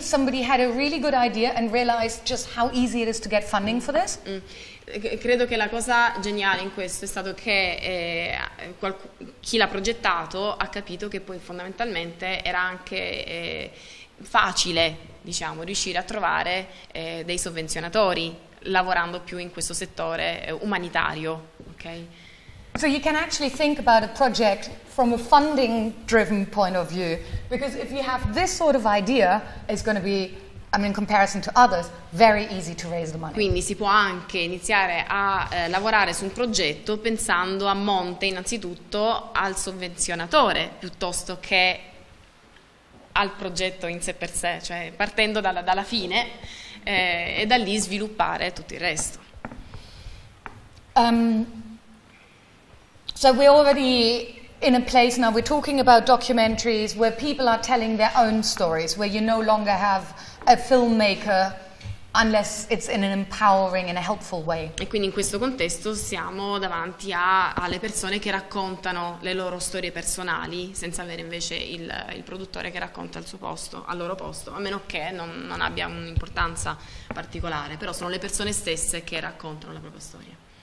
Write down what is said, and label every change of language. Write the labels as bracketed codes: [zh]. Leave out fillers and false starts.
[en] Somebody had a really good idea and realized just how easy it is to get funding for this. [it] Credo che la cosa geniale in questo è stato che chi l'ha progettato ha capito che poi fondamentalmente era anche facile, diciamo, riuscire a trovare dei sovvenzionatori lavorando più in questo settore umanitario, ok? [en] So you can actually think about a project from a funding driven point of view, because if you have this sort of idea, it's going to be, I mean, in comparison to others, very easy to raise the money. [it] Quindi si può anche iniziare a lavorare su un progetto pensando a monte innanzitutto al sovvenzionatore piuttosto che al progetto in sé per sé, cioè partendo dalla fine e da lì sviluppare tutto il resto. [en] So we're already in a place now, we're talking about documentaries where people are telling their own stories, where you no longer have a filmmaker unless it's in an empowering and a helpful way. [it] E quindi in questo contesto siamo davanti alle persone che raccontano le loro storie personali senza avere invece il produttore che racconta al loro posto, a meno che non abbia un'importanza particolare, però sono le persone stesse che raccontano la propria storia.